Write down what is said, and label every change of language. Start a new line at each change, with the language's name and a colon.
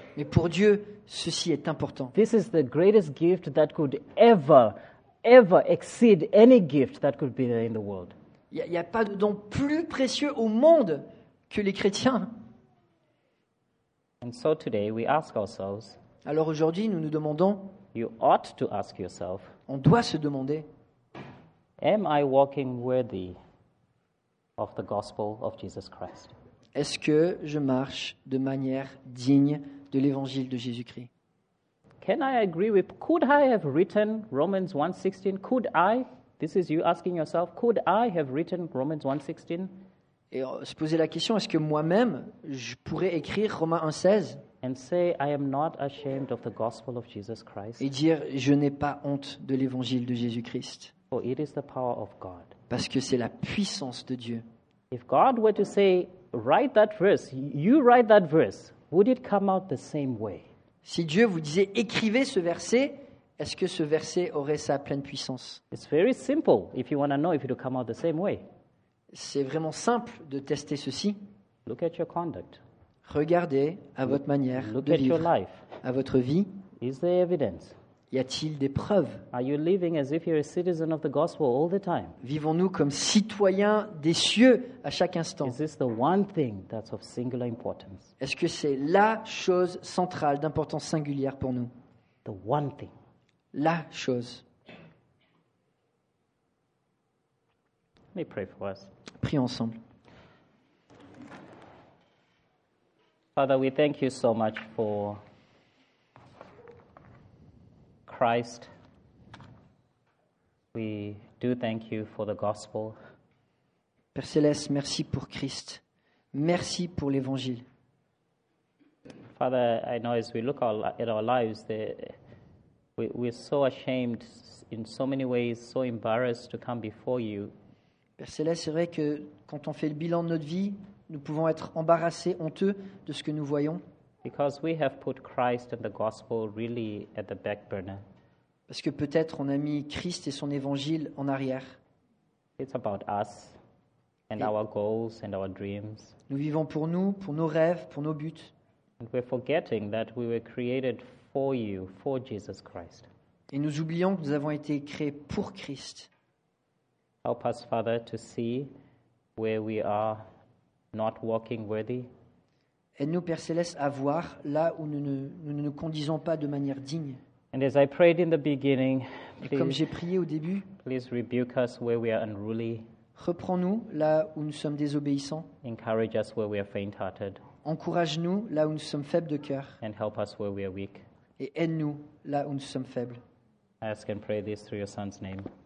French: Mais pour Dieu, ceci est important.
English: This is the greatest gift that could ever, ever exceed any gift that could be there in the world.
French: Il n'y a pas de don plus précieux au monde que les chrétiens.
English: And so today we ask ourselves.
French: Alors aujourd'hui, nous nous demandons.
English: You ought to ask yourself.
French: On doit se demander.
English: Am I walking worthy of the gospel of Jesus Christ?
French: Est-ce que je marche de manière digne de l'évangile de Jésus-Christ?
English: Can I agree with? Could I have written Romans 1:16? Could I? This is you asking yourself. Could I have written Romans 1:16?
French: Et se poser la question, est-ce que moi-même je pourrais écrire Romains 1:16?
English: And say I am not ashamed of the gospel of Jesus Christ.
French: Et dire je n'ai pas honte de l'évangile de Jésus-Christ.
English: For it is the power of God.
French: Parce que c'est la puissance de Dieu.
English: If God were to say write that verse. You write that verse. Would it come out the same way?
French: Si Dieu vous disait écrivez ce verset, est-ce que ce verset aurait sa pleine puissance?
English: It's very simple. If you want to know if it will come out the same way.
French: C'est vraiment simple de tester ceci.
English: Look at your conduct.
French: Regardez à votre manière
English: look
French: de vivre.
English: Look at your life.
French: À votre vie.
English: Is there evidence?
French: Y a-t-il des preuves?
English: Are you living as if you're a citizen of the gospel all the time?
French: Vivons-nous comme citoyens des cieux à chaque instant?
English: Is this the one thing that's of singular importance?
French: Est-ce que c'est la chose centrale d'importance singulière pour nous?
English: The one thing.
French: La chose.
English: Let me pray for us.
French: Prions ensemble.
English: Father, we thank you so much for Christ, we do thank you for the gospel.
French: Père Céleste, merci pour Christ. Merci pour l'Évangile.
English: Father, I know as we look at our lives, we're so ashamed in so many ways, so embarrassed to come before you.
French: Père Céleste, c'est vrai que quand on fait le bilan de notre vie, Nous pouvons être embarrassés, honteux de ce que nous voyons.
English: Because we have put Christ and the gospel really at the back burner.
French: Parce que peut-être on a mis Christ et son évangile en arrière.
English: It's about us and our goals and our dreams.
French: Nous vivons pour nous, pour nos rêves, pour nos buts.
English: And we're forgetting that we were created for you, for Jesus Christ.
French: Et nous oublions que nous avons été créés pour Christ.
English: Help us, Father, to see where we are not walking worthy.
French: Aide-nous, Père Céleste, à voir là où nous ne nous conduisons pas de manière digne.
English: And as I prayed in the beginning, please,
French: comme j'ai prié au début,
English: please rebuke us where we are unruly.
French: Reprends-nous là où nous sommes désobéissants.
English: Encourage us where we are faint-hearted.
French: Encourage-nous là où nous sommes faibles de cœur.
English: And help us where we are weak.
French: Et aide-nous là où nous sommes faibles.
English: I ask and pray this through your son's name.